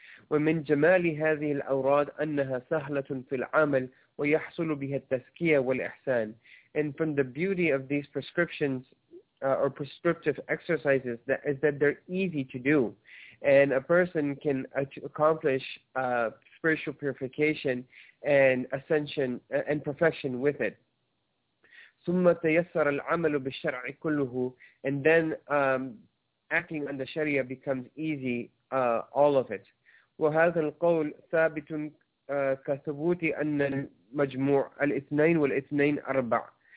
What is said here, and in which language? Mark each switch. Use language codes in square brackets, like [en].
[ar] ومن جمال هذه الأوراد أنها سهلة في العمل ويحصل بها التزكية والإحسان. [en] And from the beauty of these prescriptions or prescriptive exercises is that they're easy to do, and a person can accomplish spiritual purification and ascension and perfection with it. [ar] ثم تيسر العمل بالشرع كله, [en] and then acting on the Sharia becomes easy. All of it. [ar] وهذا القول ثابت كثبوت أن المجموع الاثنين والاثنين أربع.